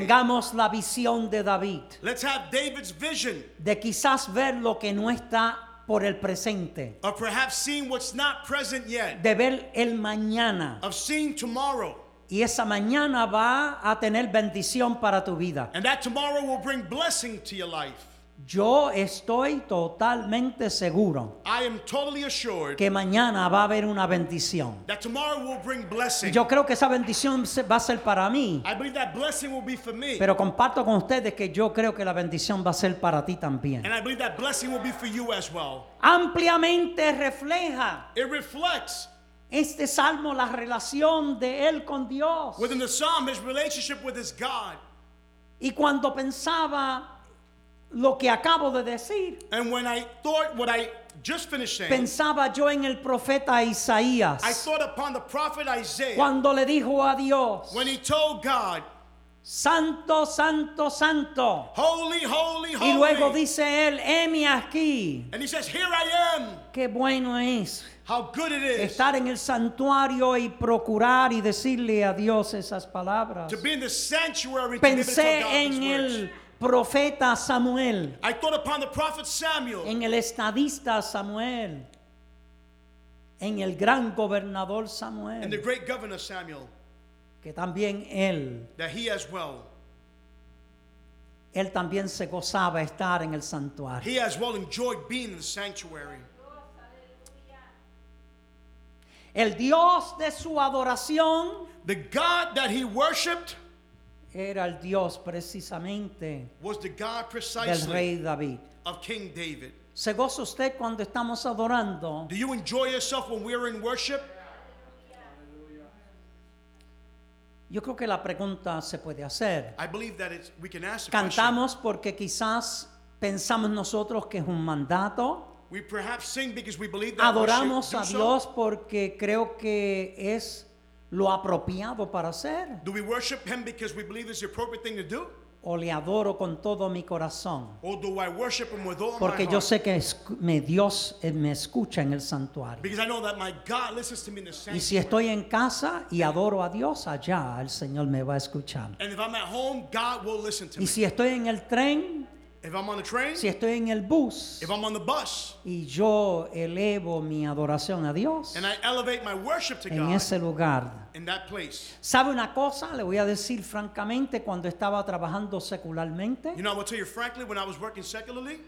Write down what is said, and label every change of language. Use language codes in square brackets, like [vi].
[es] Tengamos la visión de David. [en] Let's have David's vision. [es] De quizás ver lo que no está por el presente. [en] Of perhaps seeing what's not present yet. [es] De ver el mañana. [en] Of seeing tomorrow. [es] Y esa mañana va a tener bendición para tu vida. [en] And that tomorrow will bring blessing to your life. [es] Yo estoy totalmente seguro. [en] I am totally assured [es] que mañana va a haber una bendición. [en] That tomorrow will bring blessing. [es] Yo creo que esa bendición va a ser para mí. [en] I believe that blessing will be for me. [es] Pero comparto con ustedes que yo creo que la bendición va a ser para ti también. [en] And I believe that blessing will be for you as well. [es] Ampliamente refleja. [en] It reflects. [es] Este salmo, la relación de él con Dios. [en] Within the psalm, his relationship with his God. [es] Y cuando pensaba lo que acabo de decir, [en] and when I thought what I just finished saying, [es] pensaba yo en el profeta Isaías. [en] I thought upon the prophet Isaiah. [es] Cuando le dijo a Dios, [en] when he told God, [es] Santo, Santo, Santo. [en] Holy, holy, holy. [es] Y luego dice él, heme aquí. [en] And he says, here I am. [es] Qué bueno es. [en] How good it is. [es] Estar en el santuario y procurar y decirle a Dios esas palabras. [en] To be in the sanctuary. [es] Pensé [en] to [es] en el profeta Samuel. [en] I thought upon the prophet Samuel. [es] En el estadista Samuel. En el gran gobernador Samuel. [en] And the great governor Samuel. [es] Que también él. [en] That he as well. [es] Él también se gozaba estar en el santuario. [en] He as well enjoyed being in the sanctuary. [es] El Dios de su adoración. [en] The God that he worshipped. [es] Era el Dios precisamente. [en] Was the God precisely. [es] Del rey David. [en] Of King David. [es] ¿Se goza usted cuando estamos adorando? [en] Do you enjoy yourself when we are in worship? [es] Yo creo que la pregunta se puede hacer. [en] I believe that it's, we can ask the question. [es] Cantamos porque quizás pensamos nosotros que es un mandato. [en] We perhaps sing because we believe that [es] adoramos [en] we should [es] a Dios [en] so. [es] Porque creo que es lo apropiado para hacer. [en] Do we worship him because we believe it's the appropriate thing to do? [es] O le adoro con todo mi corazón. [en] Or do I worship him with all [es] porque [en] my heart? [es] Porque yo sé que Dios me escucha en el santuario. [en] Because I know that my God listens to me in the sanctuary. [es] Y si estoy en casa y adoro a Dios allá, el Señor me va a escuchar. [en] And if I'm at home, God will listen to [es] y [en] me. [es] Y si estoy en el tren, [en] if I'm on the train, [es] si estoy en el bus, [en] if I'm on the bus, [es] y yo elevo mi adoración a Dios, [en] and I elevate my worship to [es] en [en] ese lugar. In that place. [es] ¿Sabe una cosa? Le voy a decir francamente, cuando estaba trabajando secularmente, [en] you know, I will tell you frankly, when I was working secularly,